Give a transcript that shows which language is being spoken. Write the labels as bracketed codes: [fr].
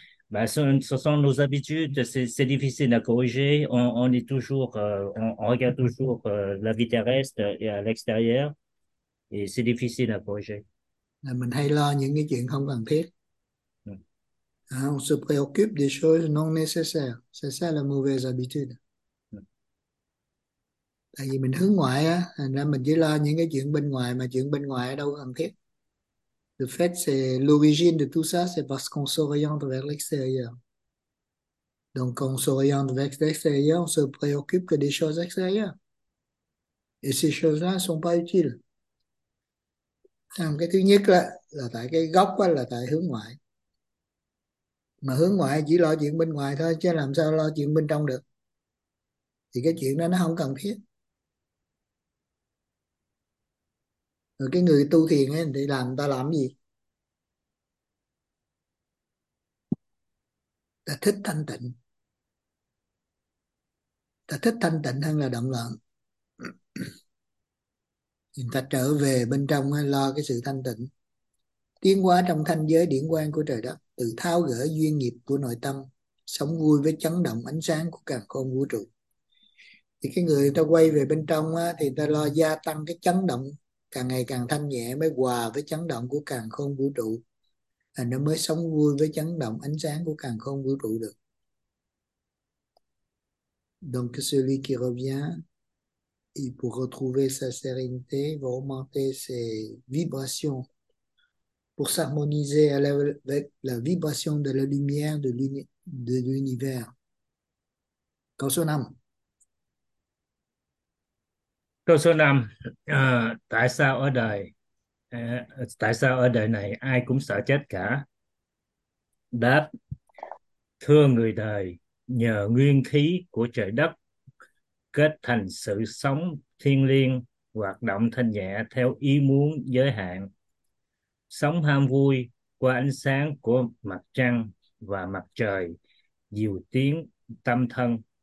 [fr] Ben, ce sont nos habitudes, c'est difficile à corriger. On est toujours, on regarde toujours la vie terrestre et à l'extérieur, et c'est difficile à corriger. [vi] Là mình hay lo những cái chuyện không cần thiết. [fr] On se préoccupe des choses non nécessaires. C'est ça la mauvaise habitude. [vi] Tại vì mình hướng ngoại á, thành ra mình chỉ lo những cái chuyện bên ngoài, mà chuyện bên ngoài đâu cần thiết. [fr] Le fait, c'est l'origine de tout ça, c'est parce qu'on s'oriente vers l'extérieur. Donc, on s'oriente vers l'extérieur, on se préoccupe que des choses extérieures. Et ces choses-là ne sont pas utiles. [vi] Alors, cái thứ nhất là tại cái gốc á, là tại hướng ngoại. Mà hướng ngoại chỉ lo chuyện bên ngoài thôi, chứ làm sao lo chuyện bên trong được. Thì cái chuyện đó nó không cần thiết. Rồi cái người tu thiền ấy thì làm ta làm gì? Ta thích thanh tịnh. Ta thích thanh tịnh hơn là động loạn. Thì ta trở về bên trong ấy, lo cái sự thanh tịnh. Tiến hóa trong thanh giới điển quang của trời đất. Tự tháo gỡ duyên nghiệp của nội tâm. Sống vui với chấn động ánh sáng của càn khôn vũ trụ. Thì cái người ta quay về bên trong á, thì ta lo gia tăng cái chấn động. Càng ngày càng thanh nhẹ mới hòa với chấn động của càn khôn vũ trụ, là nó mới sống vui với chấn động ánh sáng của càn khôn vũ trụ được. [fr] Donc celui qui revient, il pour retrouver sa sérénité, va augmenter ses vibrations pour s'harmoniser avec la vibration de la lumière de l'univers. Quand son âme. [vi] Câu số 5, tại sao ở đời này ai cũng sợ chết cả? Đáp, thưa người đời, nhờ nguyên khí của trời đất kết thành sự sống thiêng liêng, hoạt động thanh nhẹ theo ý muốn giới hạn, sống ham vui qua ánh sáng của mặt trăng và mặt trời, dìu tiến tâm thân,